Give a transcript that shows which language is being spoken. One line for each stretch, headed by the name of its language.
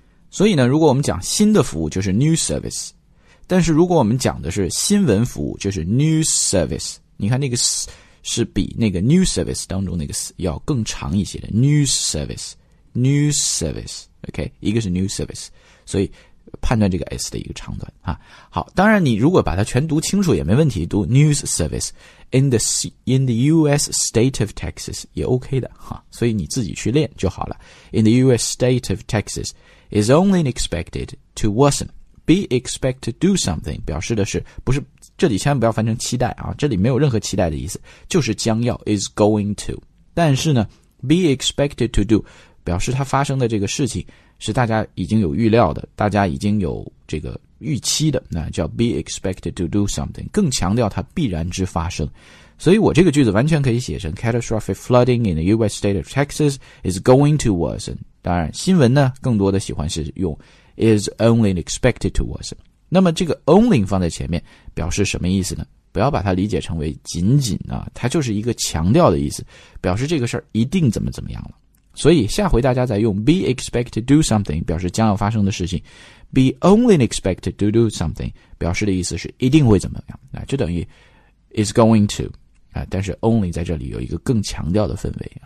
Chinese: 所以呢，如果我们讲新的服务就是 new service, 但是如果我们讲的是新闻服务就是 news service, 你看那个 S 是比那个 new service 当中那个 S 要更长一些的 news service, news service, OK, 一个是 new service, 所以判断这个 S 的一个长短啊。好，当然你如果把它全读清楚也没问题，读 news service,
English: In the U.S. state of Texas
Chinese: 也 OK 的哈，所以你自己去练就好了。
English: In the U.S. state of Texas is only expected to worsen. Be expect to do something
Chinese: 表示的是不是？这里千万不要翻成期待啊，这里没有任何期待的意思，就是将要 is going to. 但是呢 ，be expected to do 表示它发生的这个事情是大家已经有预料的，大家已经有这个。预期的，那叫 be expected to do something, 更强调它必然之发生。所以我这个句子完全可以写成
English: catastrophic flooding in the US state of Texas is going to worsen.
Chinese: 当然新闻呢更多的喜欢是用
English: is only expected to worsen.
Chinese: 那么这个 only 放在前面表示什么意思呢？不要把它理解成为仅仅啊，它就是一个强调的意思，表示这个事儿一定怎么怎么样了。所以下回大家再用
English: be expected to do something
Chinese: 表示将要发生的事情，
English: be only expected to do something
Chinese: 表示的意思是一定会怎么样，这等于 is going to, 但是 only 在这里有一个更强调的氛围。